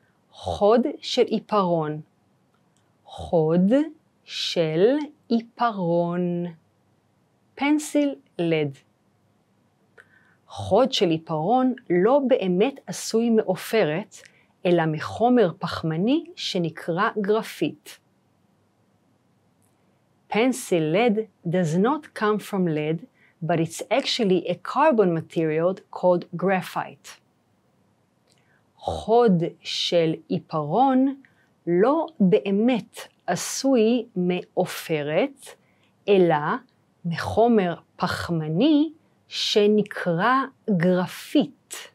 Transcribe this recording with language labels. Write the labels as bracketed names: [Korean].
[Hebrew] חוד של עיפרון. חוד של עיפרון. [English] Pencil lead. [Hebrew] חוד של עיפרון לא באמת עשוי מאופרת, אלא מחומר פחמני שנקרא גרפיט. [English] Pencil lead does not come from lead, but it's actually a carbon material called graphite. [Hebrew] חוד של עיפרון לא באמת עשוי מאופרת, אלא מחומר פחמני שנקרא גרפיט.